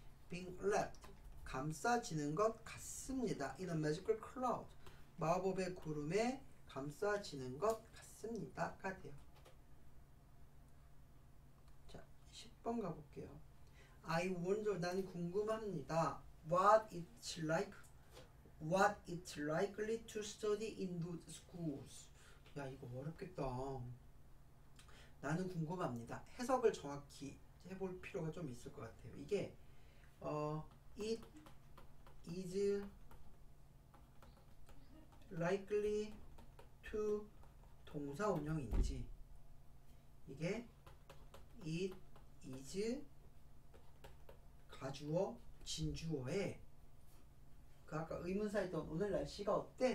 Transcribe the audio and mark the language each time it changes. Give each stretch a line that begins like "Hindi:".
English: being wrapped.
Korean: 감싸지는 것 같습니다.
English: in a magical cloud.
Korean: 마법의 구름에 감싸지는 것 같습니다. 가 돼요. 자, 10번 가볼게요.
English: I wonder,
Korean: 난 궁금합니다.
English: What it's like? What it's likely to study in good schools?
Korean: 야, 이거 어렵겠다. 나는 궁금합니다. 해석을 정확히 해볼 필요가 좀 있을 것 같아요. 이게, it is likely to 동사 운영인지, 이게 it is 가주어, 진주어에, 그 아까 의문사 했던 오늘 날씨가 어때?